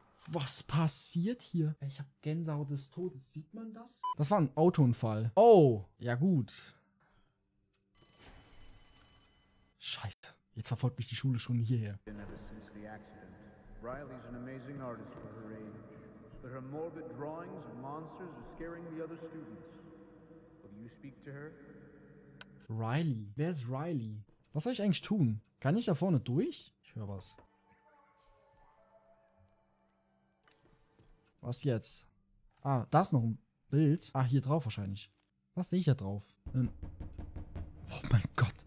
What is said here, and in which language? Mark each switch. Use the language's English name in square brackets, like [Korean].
[German] Was passiert hier? Ich habe Gänsehaut des Todes. Sieht man das? Das war ein Autounfall. Oh, ja gut. Scheiße. Jetzt verfolgt mich die Schule schon hierher. [English] Ever since the accident, Riley's an amazing artist for her age. But her morbid drawings of monsters are scaring the other students. Will you speak to her? Riley? [German] Wer ist Riley? Was soll ich eigentlich tun? Kann ich da vorne durch? Ich höre was. Was jetzt? Ah, da ist noch ein Bild. Ah, hier drauf wahrscheinlich. Was sehe ich da drauf? Oh mein Gott.